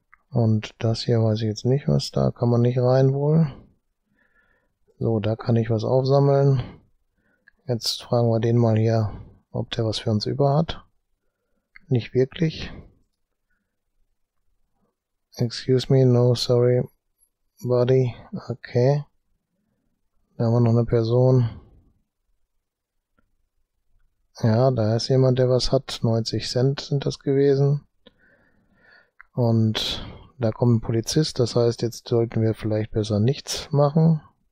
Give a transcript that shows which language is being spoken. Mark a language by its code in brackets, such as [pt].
[de] Und das hier weiß ich jetzt nicht was. Da kann man nicht rein wohl. So, da kann ich was aufsammeln. Jetzt fragen wir den mal hier, ob der was für uns über hat. Nicht wirklich. [en] Excuse me, no, sorry, buddy. Okay. [de] Da haben wir noch eine Person. Ja, da ist jemand, der was hat. 90 Cent sind das gewesen. Und da kommt ein Polizist. Das heißt, jetzt sollten wir vielleicht besser nichts machen.